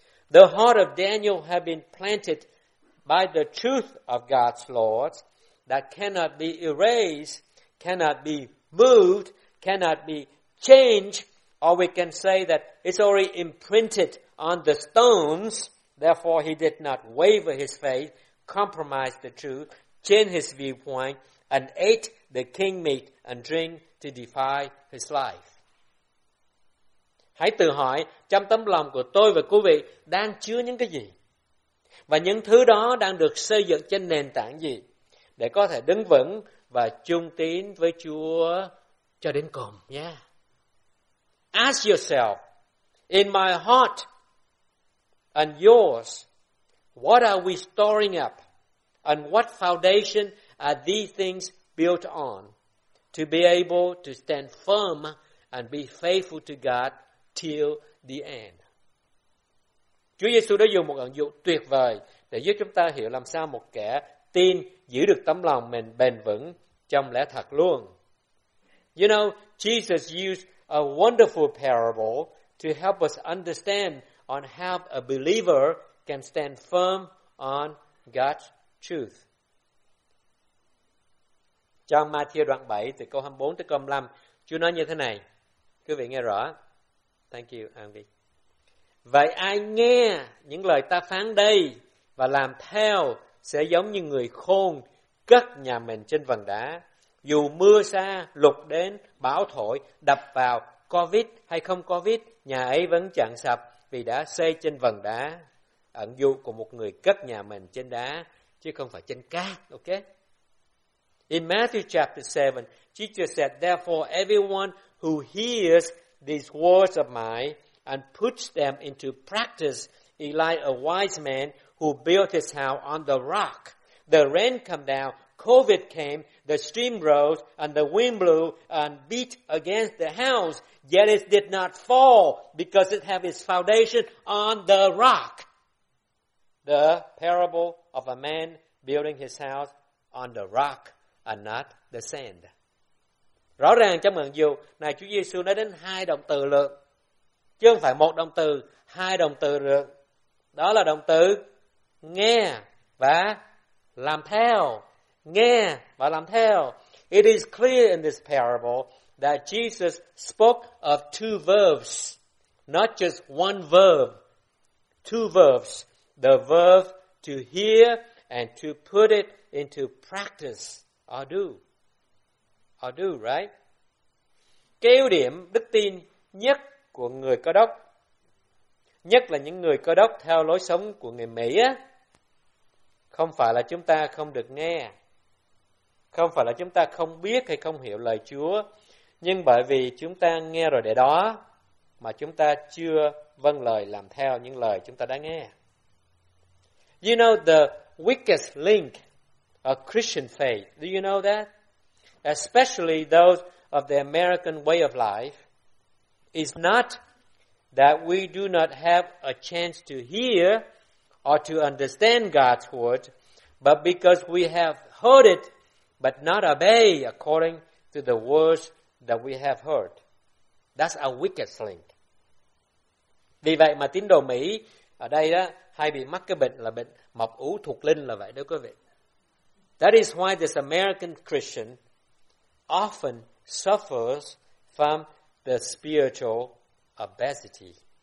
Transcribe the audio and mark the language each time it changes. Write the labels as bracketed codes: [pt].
[en] The heart of Daniel had been planted by the truth of God's laws that cannot be erased, cannot be moved, cannot be changed, or we can say that it's already imprinted on the stones. Therefore, he did not waver his faith, compromise the truth, change his viewpoint, and ate the king meat and drink to defy his life. [vi] Hãy tự hỏi trong tấm lòng của tôi và quý vị đang chứa những cái gì? Và những thứ đó đang được xây dựng trên nền tảng gì để có thể đứng vững và trung tín với Chúa cho đến cùng nha. [en] Ask yourself, in my heart and yours, what are we storing up and what foundation are these things built on to be able to stand firm and be faithful to God till the end? [vi] Chúa Giêsu đã dùng một ẩn dụ tuyệt vời để giúp chúng ta hiểu làm sao một kẻ tin giữ được tấm lòng mình bền vững trong lẽ thật luôn. [en] You know, Jesus used a wonderful parable to help us understand on how a believer can stand firm on God's truth. [vi] Trong Matthew đoạn 7 từ câu 24 tới câu 25, Chúa nói như thế này. Quý vị nghe rõ. [en] Thank you, Andy. [vi] Vậy ai nghe những lời ta phán đây và làm theo sẽ giống như người khôn cất nhà mình trên vần đá, dù mưa sa lục đến, bão thổi đập vào, COVID hay không COVID, nhà ấy vẫn chẳng sập vì đã xây trên vần đá. Ẩn dụ của một người cất nhà mình trên đá chứ không phải trên cát, ok? [en] In Matthew chapter 7, Jesus said, therefore everyone who hears these words of mine and puts them into practice is like a wise man who built his house on the rock. The rain came down, COVID came, the stream rose, and the wind blew and beat against the house, yet it did not fall because it had its foundation on the rock. The parable of a man building his house on the rock and not the sand. [vi] Rõ ràng trong ẩn dụ này, Chúa Giêsu nói đến hai động từ lượng, chứ không phải một động từ, hai động từ lượng. Đó là động từ nghe và làm theo. Nghe và làm theo. [en] It is clear in this parable that Jesus spoke of two verbs, not just one verb, two verbs, the verb to hear and to put it into practice or do. Or do, right? [vi] Cái ưu điểm đức tin nhất của người Cơ Đốc, nhất là những người Cơ Đốc theo lối sống của người Mỹ á, không phải là chúng ta không được nghe, Không phải là chúng ta không biết hay không hiểu lời Chúa, nhưng bởi vì chúng ta nghe rồi để đó mà chúng ta chưa vâng lời làm theo những lời chúng ta đã nghe. [en] You know the weakest link of Christian faith. Do you know that? Especially those of the American way of life is not that we do not have a chance to hear or to understand God's word, but because we have heard it but not obey according to the words that we have heard. That's our weakest link. [vi] Vì vậy mà tín đồ Mỹ ở đây đó hay bị mắc cái bệnh là bệnh mập ú thuộc linh là vậy đó quý vị. [en] That is why this American Christian often suffers from the spiritual obesity.